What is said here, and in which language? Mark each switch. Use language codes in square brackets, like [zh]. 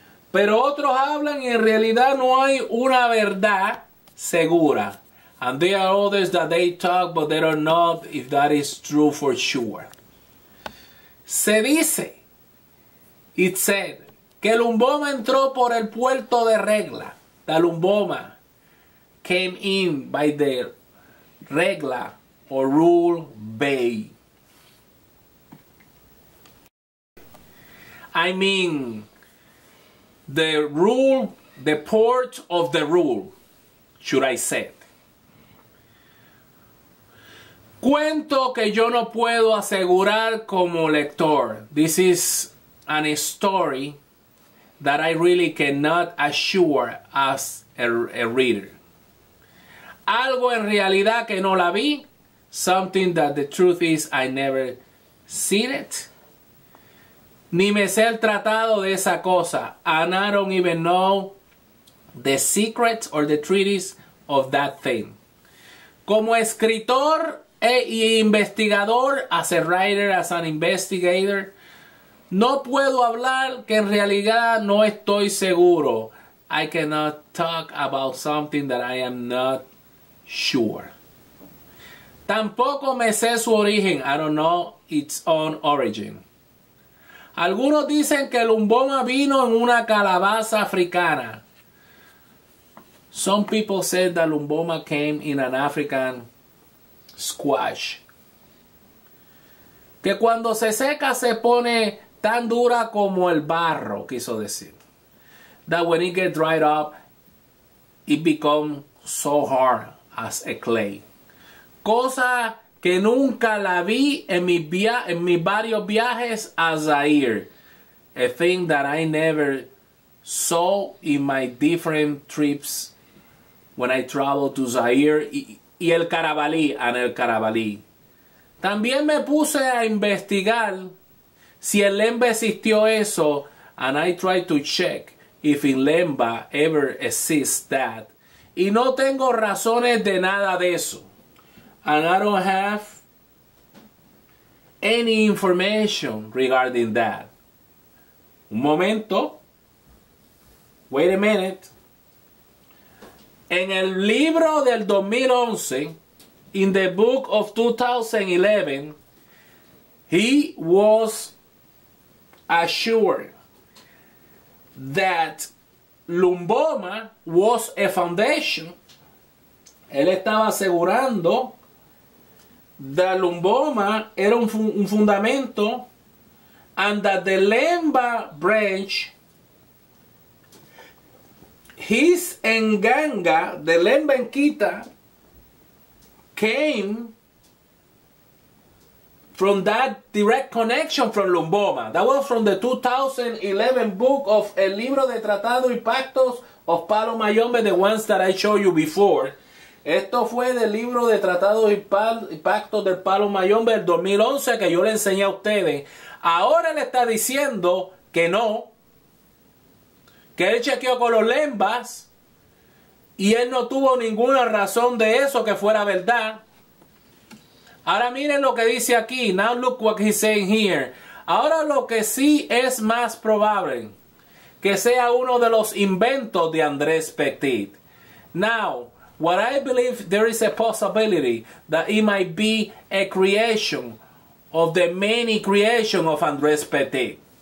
[es] Pero otros hablan y en realidad no hay una verdad segura. [en] And there are others that they talk, but they don't know if that is true for sure. [es] Se dice, [en] it said, [es] que Lumbomba entró por el puerto de regla. [en] That Lumbomba came in by the regla or rule bay. I mean, the rule, the port of the rule, should I say. [es] Cuento que yo no puedo asegurar como lector. [en] This is a story that I really cannot assure as a reader. [es] Algo en realidad que no la vi. [en] Something that the truth is I never seen it. [es] Ni me sé el tratado de esa cosa. [en] And I don't even know the secrets or the treaties of that thing. [es] Como escritor e investigador, [en] as a writer, as an investigator, [es] no puedo hablar que en realidad no estoy seguro. [en] I cannot talk about something that I am not sure. [es] Tampoco me sé su origen. [en] I don't know its own origin. [es] Algunos dicen que Lumbomba vino en una calabaza africana. [en] Some people said that Lumbomba came in an African squash. [es] Que cuando se seca se pone tan dura como el barro, quiso decir. [en] That when it gets dried up, it becomes so hard as a clay. [es] Cosa que nunca la vi en mis varios viajes a Zaire. [en] A thing that I never saw in my different trips when I traveled to Zaire [es] y el Carabalí, [en] and el Carabalí. [es] También me puse a investigar si en Lemba existió eso, [en] and I tried to check if in Lemba ever exists that. [es] Y no tengo razones de nada de eso. [en] And I don't have any information regarding that. [es] Un momento. [en] Wait a minute. [es] En el libro del 2011, [en] in the book of 2011, he was assured that Lumbomba was a foundation. [es] Él estaba asegurando [en] that Lumbomba [es] era un fundamento, [en] and that the Lemba branch, his Nganga, the Lemba Nkita, came from that direct connection from Lumbomba. That was from the 2011 book of El Libro de Tratado y Pactos of Palo Mayombe, the ones that I showed you before. [es] Esto fue del libro de Tratados y Pactos del Palo Mayombe del 2011 que yo le enseñé a ustedes. Ahora le está diciendo que no. Que él chequeó con los Lembas. Y él no tuvo ninguna razón de eso que fuera verdad. Ahora miren lo que dice aquí. [en] Now look what he's saying here. [es] Ahora lo que sí es más probable que sea uno de los inventos de Andrés Petit. [en] Now, what I believe there is a possibility that it might be a creation of the many creations of Andrés Petit.